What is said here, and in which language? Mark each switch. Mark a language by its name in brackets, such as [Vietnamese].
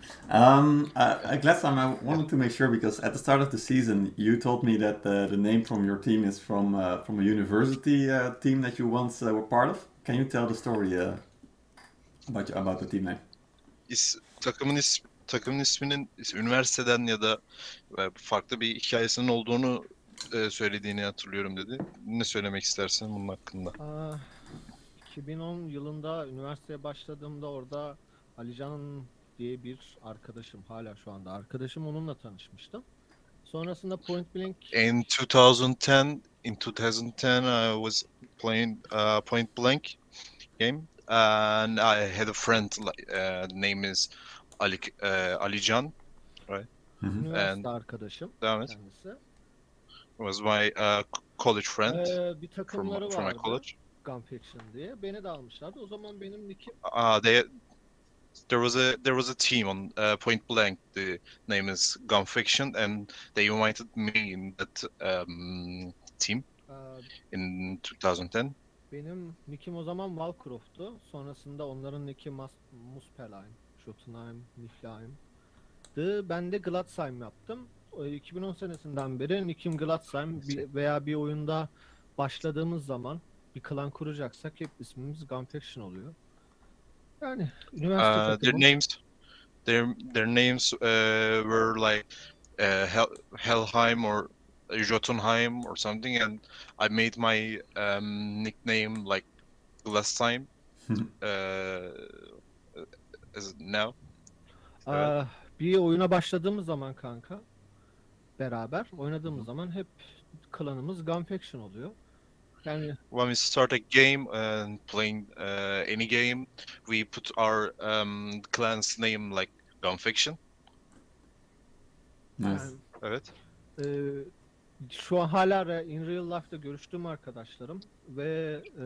[English] Gladsheim, I wanted to make sure, because at the start of the season, you told me that the name from your team is from a university team that you once were part of. Can you tell the story about the team name? [Turkish] Takımın isminin üniversiteden ya da farklı bir hikayesinin olduğunu söylediğini hatırlıyorum dedi. Ne söylemek istersin bunun hakkında? 2010 yılında üniversiteye başladığımda orada Alican diye bir arkadaşım, hala şu anda arkadaşım, onunla tanışmıştım. Sonrasında Point Blank. [English] In 2010 I was playing Point Blank game, and I had a friend name is Alican, right? [Turkish] Üniversite arkadaşım. Devam et. [English] Was my college friend from my college. [Turkish] GUMFACTION diye beni de almışlardı. O zaman benim nickim. [English] There was a team on Point Blank. The name is GUMFACTION, and they invited me in that team in 2010. [Turkish] Benim nickim o zaman Valcroft'tu. Sonrasında onların nicki Muspelheim, Schottenheim, Niflheim'di. Ben de Gladsheim yaptım. 2010 senesinden beri nickim Gladsheim, veya bir oyunda başladığımız zaman bir klan kuracaksak hep ismimiz GUMFACTION oluyor. Yani üniversite [English] their names were like Helheim or Jotunheim or something, and I made my nickname like Gladsheim as now. [Turkish] Bir oyuna başladığımız zaman kanka, beraber oynadığımız zaman hep klanımız GUMFACTION oluyor. Yani [English] when we start a game and playing any game, we put our clan's name like GUMFACTION. Nice. [Turkish] Evet. Şu an hala [English] in real life'da [Turkish] görüştüğüm arkadaşlarım ve